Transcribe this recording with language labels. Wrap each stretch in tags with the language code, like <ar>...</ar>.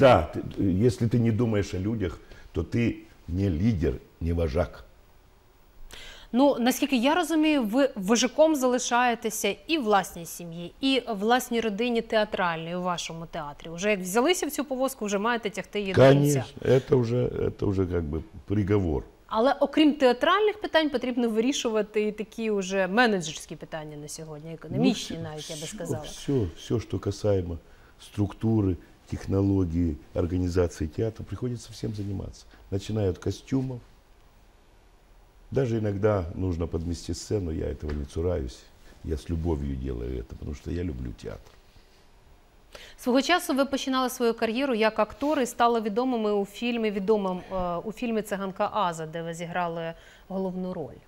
<ru>Да, ты, если ты не думаешь о людях, то ты не лидер, не вожак.</ru> <uk>Ну, наскільки я розумію, ви вожаком залишаєтеся і власній сім'ї, і власній родині театральній у вашому театрі. Уже як взялися в цю повозку, вже маєте тягти її до кінця. Звісно, це вже як би приговор. Але окрім театральних питань, потрібно вирішувати і такі вже менеджерські питання на сьогодні, економічні, навіть, я би сказала. Все, що касаємо структури, технології, організації театру, приходиться всім займатися. Починаю від костюмів.</uk> <ru>Даже иногда нужно подмести сцену, я этого не цураюсь. Я с любовью делаю это, потому что я люблю театр.</ru> <uk>Свого часу ви починали свою кар'єру як актор і стали відомими у фільмі, відомим у фільмі «Циганка Аза», де ви зіграли головну роль.</uk>